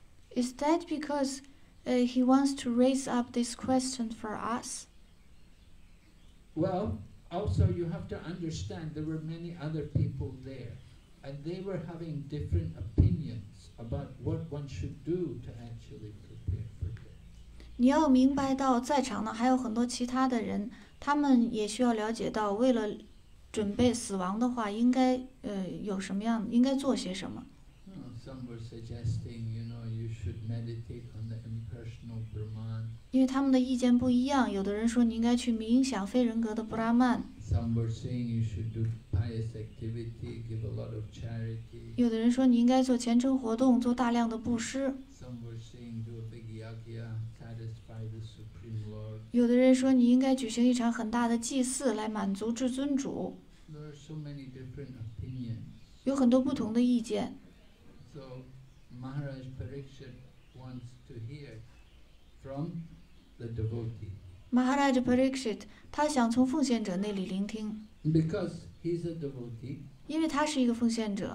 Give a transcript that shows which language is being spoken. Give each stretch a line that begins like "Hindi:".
English: Is that because he wants to raise up this question for us? Well, also you have to understand there were many other people there and they were having different opinions about what one should do to actually prepare for death.
Chinese: 你要明白到在场的还有很多其他的人，他们也需要了解到为了准备死亡的话应该有什么样，应该做些什么。
English: Some were suggesting, you know, you should meditate on the impersonal Brahman.
Chinese: 因为他们的意见不一样，有的人说你应该去冥想非人格的布拉曼。
English: Some were saying you should do pious activity, give a lot of charity.
Chinese: 有的人说你应该做虔诚活动，做大量的布施。
English: Some were saying do a big yagya, satisfy the Supreme Lord.
Chinese: 有的人说你应该举行一场很大的祭祀来满足至尊主。
English: There are so many different opinions.
Chinese: 有很多不同的意见。
English: So Maharaj Parikshit wants to hear from the devotee.
Chinese: Maharaj Parikshit, 他想从奉献者那里聆听。
English: Because he's a devotee.
Chinese: 因为他是一个奉献者。